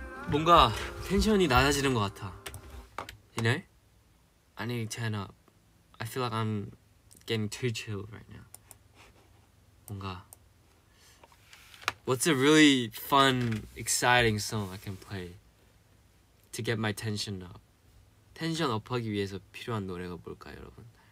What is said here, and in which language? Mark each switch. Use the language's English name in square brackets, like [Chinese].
[Korean] 뭔가 텐션이 낮아지는 것 같아. [English] You know? I need to turn up. I feel like I'm getting too chill right now. 뭔가 What's a really fun, exciting song I can play? To get my tension up. [Korean] 텐션 업하기 위해서 필요한 노래가 뭘까요, 여러분?